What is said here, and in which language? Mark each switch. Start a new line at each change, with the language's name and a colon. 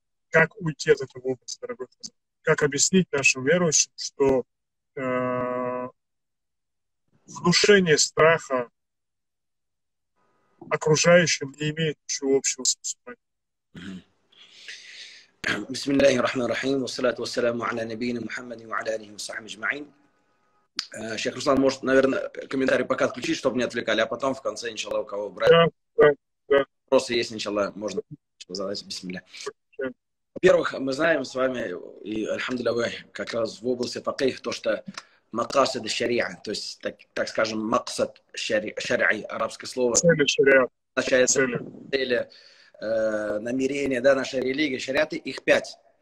Russian: Как уйти от этого опыта, дорогой Хазар? Как объяснить нашим верующим, что внушение страха окружающим не имеет ничего общего с мусульманами.
Arabic: بسم الله الرحمن الرحيم والصلاة والسلام على نبينا محمد وعلى آله وصحبه أجمعين.
Russian: شيخ رسلان может, наверное, комментарий пока отключить, чтобы не отвлекали, а потом в конце, иншаллах, у кого брать. Вопросы есть, иншаллах, можно задать.
Arabic: بسم الله.
Russian: Во-первых, мы знаем с вами, и альхамдулиллах, как раз в области факих, то, что макасад шариа, то есть, так скажем, макасад шариа, арабское слово, означает цели, намерения, да, нашей религии, шариаты, их пять.